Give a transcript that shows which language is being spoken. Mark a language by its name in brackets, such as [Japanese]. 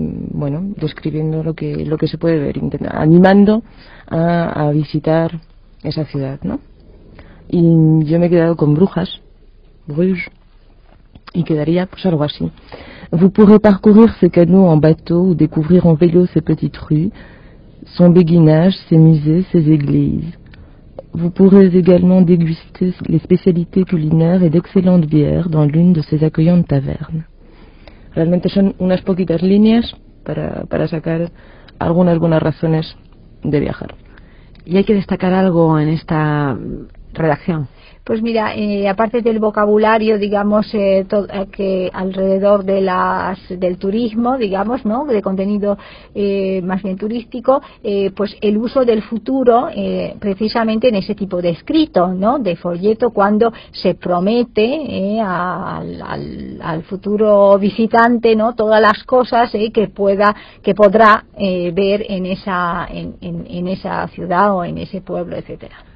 [Spanish] Bueno, describiendo lo que se puede ver, animando a visitar esa ciudad, ¿no? Y yo me he quedado con Brujas, Bruges, y quedaría pues algo así. [French] Vous pourrez parcourir ces canaux en bateau ou découvrir en vélo ces petites rues, son béguinage, ses musées, ses églises. Vous pourrez également déguster les spécialités culinaires et d'excellentes bières dans l'une de ces accueillantes tavernes. [Spanish] Realmente son unas poquitas líneas para sacar algunas buenas razones de viajar. ¿Y hay que destacar algo en esta redacción? Pues mira, aparte del vocabulario, digamos, que alrededor de del turismo, digamos, ¿no?, de contenido más bien turístico, pues el uso del futuro precisamente en ese tipo de escrito, ¿no?, de folleto, cuando se promete al futuro visitante, ¿no?, todas las cosas que podrá ver en esa ciudad o en ese pueblo, etcétera.